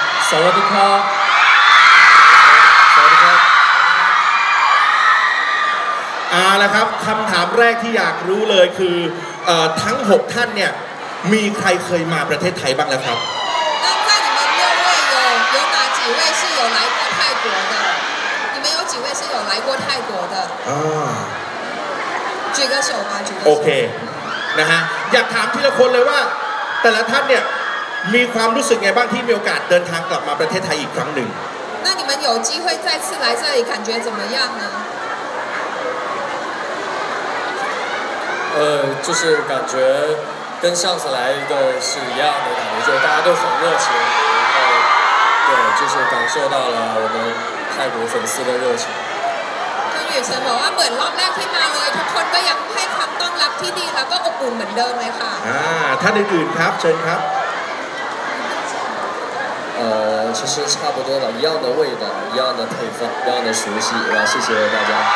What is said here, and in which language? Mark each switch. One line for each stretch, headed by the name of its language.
Thai: สวัสดีครับเอาละครับคำถามแรกที่อยากรู้เลยคื อทั้ง6ท่านเนี่ยมีใครเคยมาประเทศไทยบ้างแล้วครับ นั่นแปลว่า
Chinese: 6位有有哪幾位是有來過泰國的你們有幾位是有來過泰國的舉個手吧舉個手
Thai: โอเคนะฮะอยากถามทีละคนเลยว่าแต่ละท่านเนี่ยมีความรู้สึกไงบ้างที่มีโอกาสเดินทางกลับมาประเทศไทยอีกครั้งหนึ่ง
Chinese: 那你們有機會再次來這裡感覺怎麼樣呢就是感觉跟上次来的是一样的感觉，就大家都很热情，然后对，就是感受到了我们泰国粉丝的热情。
Thai: คุณหญิงเฉินบอกว่าเหมือนรอบแรกที่มาเลยทุกคนก็ยังให้คำต้อนรับที่ดีแล้วก็อบอุ่นเหมือนเดิมเลยค่ะ ท่านอื่นครับเชิญครับ
Chinese: 其实差不多的，一样的味道，一样的配方，一样的熟悉，然后谢谢大家。